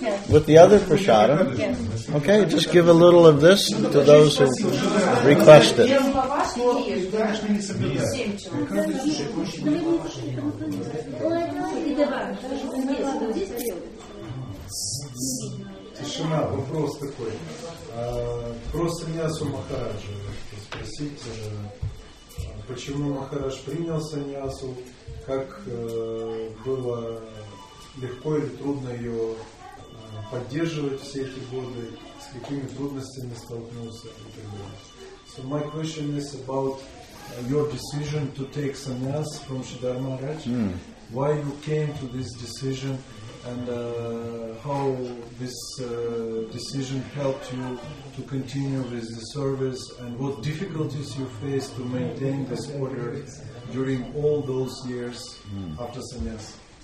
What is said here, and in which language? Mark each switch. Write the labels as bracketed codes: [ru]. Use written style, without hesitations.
[en] With the other prasadam, okay, just give a little of this to those who request it. [ru] Тишина, вопрос такой. Просто меня с Махараджа спросить, почему Махарадж принял саньясу, как было легко или трудно ее поддерживать все эти годы, с какими трудностями столкнулся. [en] So my question is about your decision to take sannyas from Sridhar Maharaj. Why you came to this decision and how this decision helped you to continue with the service, and what difficulties you faced to maintain this order during all those years after sannyas.